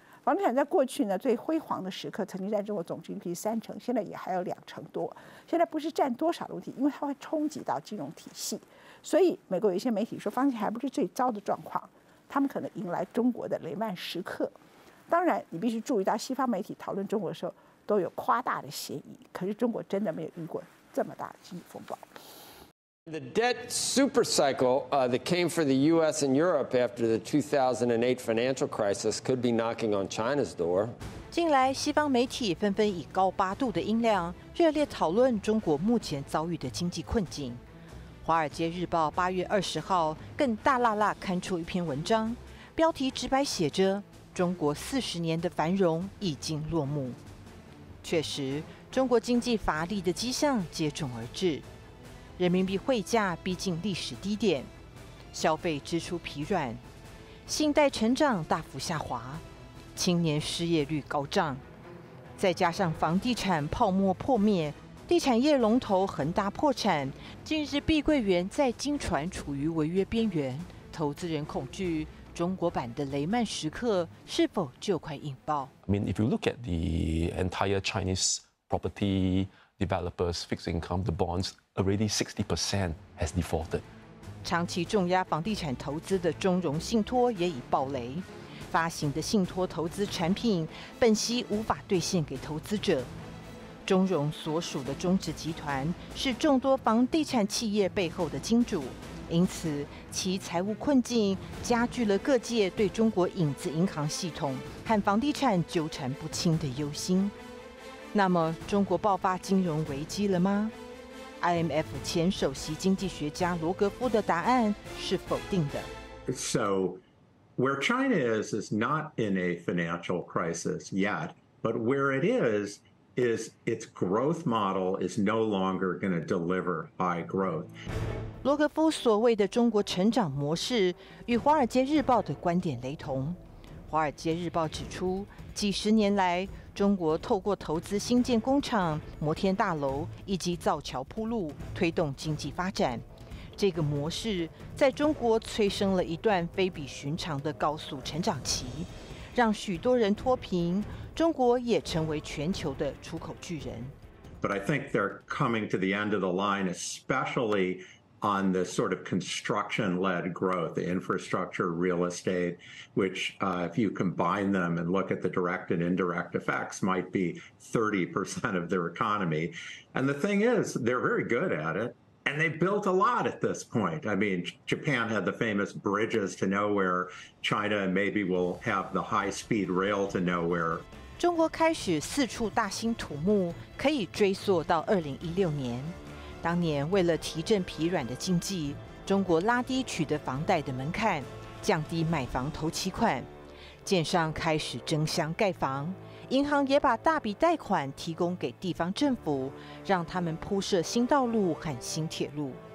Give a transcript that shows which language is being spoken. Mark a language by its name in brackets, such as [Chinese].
[Chinese] 房地产在过去呢最辉煌的时刻曾经占中国总 GDP 30%，现在也还有20%多，现在不是占多少的问题，因为它会冲击到金融体系。所以美国有一些媒体说房地产还不是最糟的状况，他们可能迎来中国的雷曼时刻。当然你必须注意到西方媒体讨论中国的时候都有夸大的嫌疑，可是中国真的没有遇过这么大的经济风暴。 [English] The debt super cycle that came for the U.S. and Europe after the 2008 financial crisis could be knocking on China's door. [Chinese] 近来西方媒体纷纷以高八度的音量热烈讨论中国目前遭遇的经济困境。华尔街日报8月20号更大辣辣刊出一篇文章，标题直白写着中国40年的繁荣已经落幕。确实，中国经济乏力的迹象接踵而至，人民币汇价逼近历史低点，消费支出疲软，信贷成长大幅下滑，青年失业率高涨，再加上房地产泡沫破灭，地产业龙头恒大破产，近日碧桂园在金船处于违约边缘，投资人恐惧中国版的雷曼时刻是否就快引爆？ [English] I mean, if you look at the entire Chinese property developers, fixed income, the bonds, already 60% has defaulted. [Chinese] 长期重压房地产投资的中融信托也已爆雷，发行的信托投资产品本息无法兑现给投资者。中融所属的中植集团是众多房地产企业背后的金主。因此其财务困境加剧了各界对中国影子银行系统和房地产纠缠不清的忧心。那么中国爆发金融危机了吗？IMF 前首席经济学家罗格夫的答案是否定的。 [English] So where China is not in a financial crisis yet, but where it is its growth model is no longer going to deliver high growth. [Chinese] 罗格夫所谓的中国成长模式与华尔街日报的观点雷同。华尔街日报指出，几十年来中国透过投资新建工厂、摩天大楼以及造桥铺路推动经济发展，这个模式在中国催生了一段非比寻常的高速成长期，让许多人脱贫，中国也成为全球的出口巨人。 [English] But I think they're coming to the end of the line, especially on the sort of construction-led growth, the infrastructure, real estate, which if you combine them and look at the direct and indirect effects, might be 30% of their economy. And the thing is, they're very good at it. And they built a lot at this point. I mean, Japan had the famous bridges to nowhere. China maybe will have the high-speed rail to nowhere. [Chinese] 中国开始四处大兴土木，可以追溯到2016年。当年为了提振疲软的经济，中国拉低取得房贷的门槛，降低买房头期款，建商开始争相盖房，银行也把大笔贷款提供给地方政府，让他们铺设新道路和新铁路。